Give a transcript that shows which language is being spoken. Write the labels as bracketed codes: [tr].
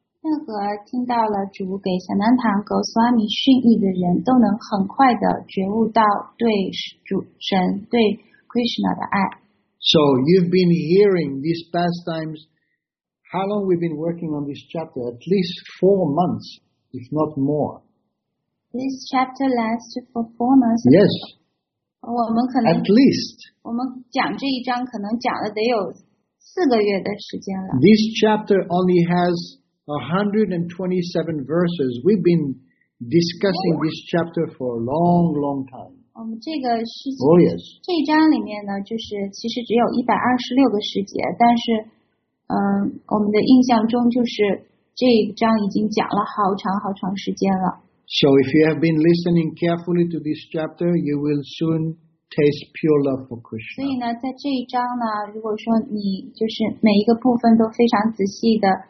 [zh] 任何听到了主给萨南塔格苏阿米训义的人都能很快的觉悟到对主神对 Krishna 的爱。 [en] So you've been hearing these pastimes. How long we've been working on this chapter? At least 4 months, if not more. This chapter lasts for 4 months. Yes. [zh] 我们可能 [en] at least [zh] 我们讲这一章可能讲了得有四个月的时间了。 [en] This chapter only has 127 verses. We've been discussing this chapter for a long, long time. [zh] 这个是 [en] oh yes. [zh] 这一章里面呢，就是其实只有126个时节，但是，我们的印象中就是这一章已经讲了好长好长时间了。 [en] So if you have been listening carefully to this chapter, you will soon taste pure love for Krishna. [zh] 所以呢，在这一章呢，如果说你就是每一个部分都非常仔细的。